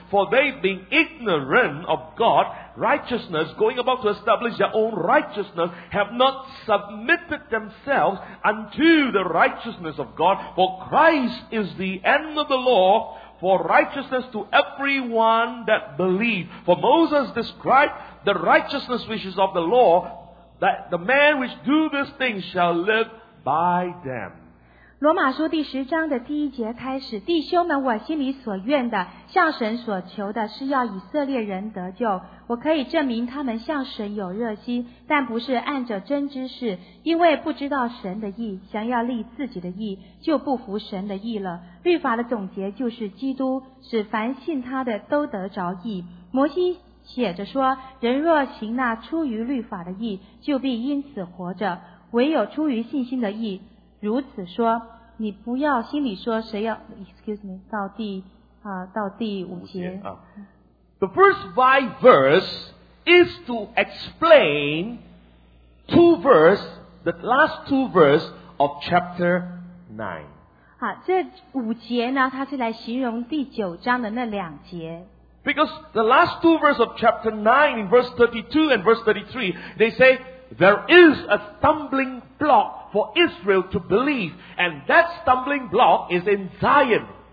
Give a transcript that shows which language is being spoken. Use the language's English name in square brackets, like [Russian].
[English] For they, being ignorant of God, righteousness, going about to establish their own righteousness, have not submitted themselves unto the righteousness of God. For Christ is the end of the law, for righteousness to everyone that believes. For Moses described the righteousness which is of the law, that the man which do this thing shall live by them. [Chinese] 罗马书第十章的第一节开始，弟兄们，我心里所愿的，向神所求的，是要以色列人得救。我可以证明他们向神有热心，但不是按着真知识，因为不知道神的意，想要立自己的意，就不服神的意了。律法的总结就是基督，使凡信他的都得着义。摩西写着说，人若行那出于律法的义，就必因此活着，唯有出于信心的义如此说。你不要心里说谁要 [English] excuse me [Chinese] 到第五节。 [English] The first five verse is to explain two verse, the last two verse of chapter 9. [Chinese] 好，这五节呢，它是来形容第九章的那两节。 [English] Because the last two verses of chapter 9, in verse 32 and verse 33, they say, there is a stumbling block for Israel to believe, and that stumbling block is in Zion.